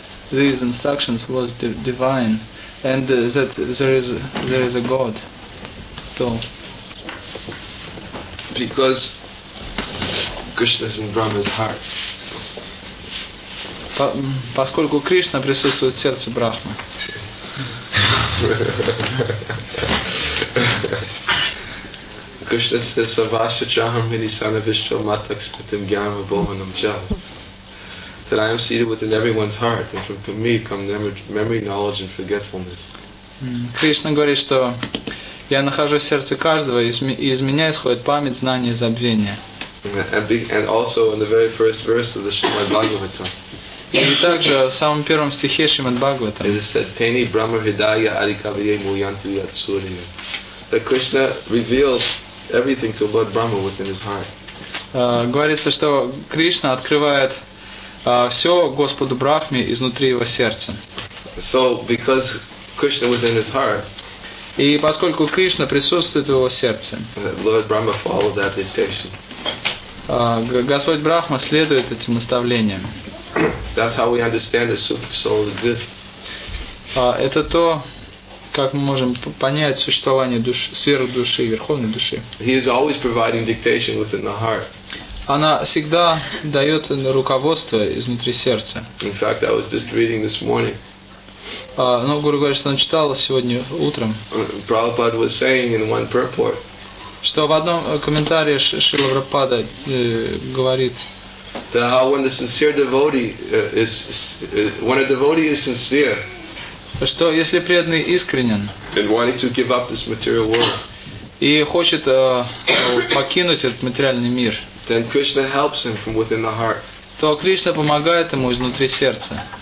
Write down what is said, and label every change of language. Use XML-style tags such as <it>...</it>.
<en>These instructions was divine, and that there is a God. So because Krishna's in Brahma's heart.</en> <ru>Поскольку Кришна присутствует в сердце Брахмы.</ru> <en>Krishna says,</en> <sa>"Savasya Chaham Hiri Sanavishtra Matak Spitim Gyanva Bohanam Jal."</sa> <en>That I am seated within everyone's heart, and from me come memory, knowledge, and forgetfulness.</en> <ru>Krishna говорит, что я нахожусь в сердце каждого, и из меня исходит память, знание, забвение.</ru> <en>And also in the very first verse of the Srimad Bhagavatam.</en> <ru>И также в самом первом стихе Шримад Бхагаватам.</ru> <en>It is said,</en> <sa>"Teni Brahma Hidaya Adikavye Muyanti Yatsuriya."</sa> <en>That Krishna reveals everything to Lord Brahma within his heart.</en> <ru>Говорится, что Кришна открывает все Господу Брахме изнутри его сердца.</ru> <en>So because Krishna was in his heart.</en> <ru>И поскольку Кришна присутствует в его сердце.</ru> <en>Lord Brahma followed that dictation.</en> <ru>Господь Брахма следует этим наставлениям.</ru> <en>That's how we understand the super soul exists.</en> <ru>Это то, как мы можем понять существование души, сверхдуши, верховной души.</ru> <en>He is always providing dictation within the heart.</en> <ru>Она всегда дает руководство изнутри сердца.</ru> <en>In fact, I was just reading this morning.</en> <ru>Но Гуру говорит, что он читал сегодня утром.</ru> <en>Prabhupada was saying in one purport.</en> <ru>Что в одном комментарии Шрила Прабхупада говорит.</ru> <en>That how when the sincere devotee is when a devotee is sincere.</en> <ru>Что если преданный искренен</ru> <en>and wanting to give up this material world,</en> <ru>и хочет покинуть этот материальный мир,</ru> <en>then Krishna helps him from within the heart,</en> <ru>то Кришна помогает ему изнутри сердца</ru>